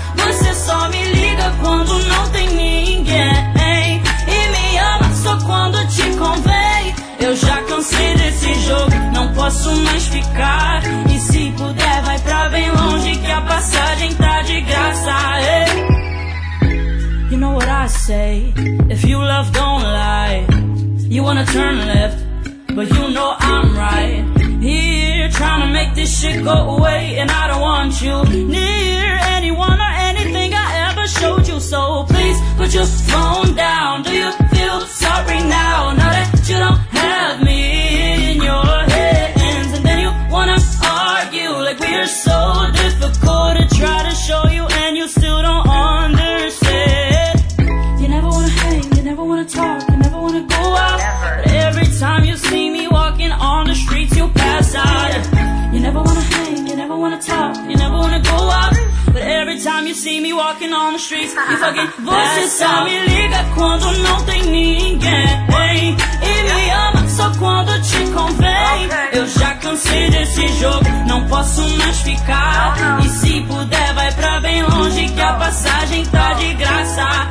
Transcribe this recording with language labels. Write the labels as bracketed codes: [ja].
[pt] Você só me liga quando não tem ninguém e me ama só quando te convém. Eu já cansei desse jogo, não posso mais ficar. E se puder vai pra bem longe que a passagem tá de graça. [en] Hey. You know what I say, if you love don't lie. You wanna turn left, but you know I'm right. Here trying to make this shit go away, and I don't want you near anyone or anything I ever showed you. So please put your phone down, do you feel sorry now? Now that you don't have me in your hands, and then you wanna argue like we're so difficult to try to show you, and you still don't understand. You never wanna hang, you never wanna talk, you never wanna go out. But every time you see me walking on the streets, you pass out. You never wanna hang, you never wanna talk, you never wanna go out. But every time you see me walking on the streets, you fucking pass out. [pt] Você só me liga quando não tem ninguém. E me ama só quando te convém. Eu já cansei desse jogo, não posso mais ficar. E se puder vai pra bem longe que a passagem tá de graça.